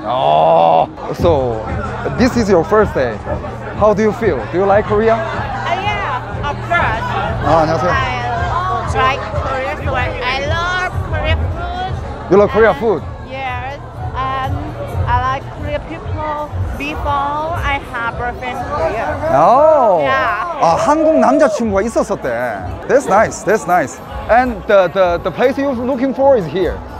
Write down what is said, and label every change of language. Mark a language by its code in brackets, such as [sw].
[en] Oh, so this is your first day. How do you feel? Do you like Korea? Yeah, of course. [ko] 안녕하세요. [en] I like Korea food. I love Korea food. You love Korea food? Yes. And I like Korea people before I have boyfriend Korea. Oh. Yeah. [ko] 한국 남자친구가 있었었대. [en] That's nice. That's nice. And the place you're looking for is here.